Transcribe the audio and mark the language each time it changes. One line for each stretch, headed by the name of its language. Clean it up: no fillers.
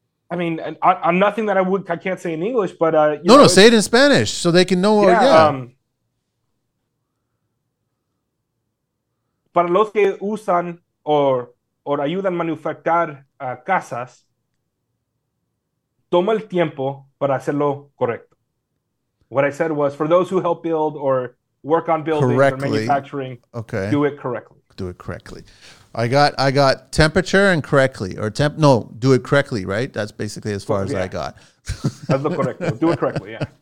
English: I mean, I'm nothing that I can't say in English, but say it in Spanish so they can know.
Spanish: Para los que usan o ayudan a manufacturar casas, toma el tiempo para hacerlo correcto.
English: What I said was, for those who help build or work on buildings correctly. Or manufacturing, okay. Do it correctly. I got temperature and correctly, or temp. No, do it correctly, right? That's basically as far as I got. That's the correct. Do it correctly,